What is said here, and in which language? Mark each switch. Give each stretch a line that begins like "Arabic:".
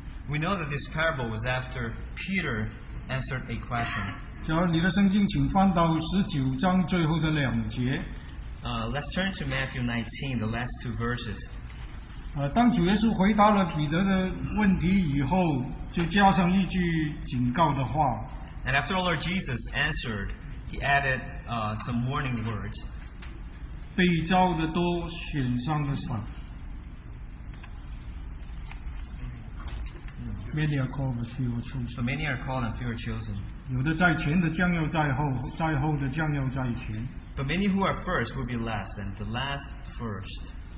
English: We know that this parable was after Peter answered a question.
Chinese: 假如你的圣经请翻到19章最后的两节。
English: Let's turn to Matthew 19, the last two verses.
Chinese: 当主耶稣回答了彼得的问题以后，就加上一句警告的话。
English: And after our Lord Jesus answered, he added some warning words.
Chinese: 被召的都选上了神。
English: Many are called, but few are chosen. So many are called, and few are chosen.
Chinese: 有的在前的将要在后，在后的将要在前。
English: But many who are first will be last, and the last first.